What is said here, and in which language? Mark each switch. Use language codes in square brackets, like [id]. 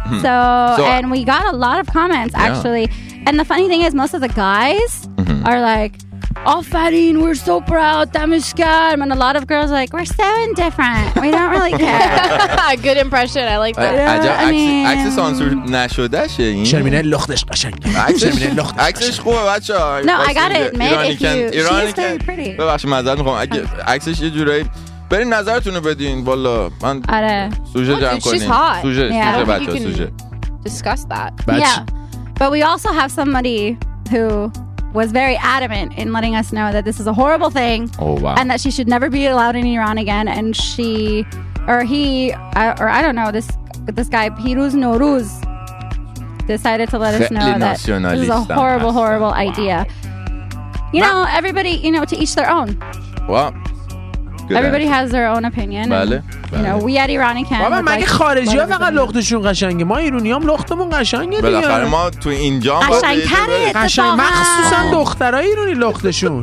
[en] So and we got a lot of comments actually. Yeah. And the funny thing is most of the guys are like [fa] آفرین, [en] we're so proud, [fa] تمشکرم, [en] and a lot of girls are like, we're so indifferent, we don't really care. Good impression, I like that. [fa] عجب, عکس سانسور نشده شه این. شرمینه لختش قشنگ. عکسش خوبه بچه ها. [en] No, I got it, man, if you, she's very pretty. [fa] ببخشید, معذرت میخوام, عکسش یه جورایی, برین نظرتونو بدین, والا, من سوژه جمع کنیم. [en] She's hot. [fa] سوژه بچه ها, سوژه. [en] Discuss that. Yeah, but we also have somebody who was very adamant in letting us know that this is a horrible thing. Oh, wow. And that she should never be allowed in Iran again. And she, or he, or I don't know, this guy, Piruz Noruz, decided to let us know that this is a horrible, horrible idea. Wow. You know, everybody, you know, to each their own. Wow. Good Everybody answer. Has their own opinion. [fa] بله, [en] and, [fa] بله. [en] You know, we at Iranican. [fa] بابا مگه خارجی‌ها فقط لختشون قشنگه. ما ایرانی‌ها لختمون قشنگه. بالاخره ما تو اینجا قشنگ‌تره. قشنگ مخصوصا دخترای ایرانی لختشون.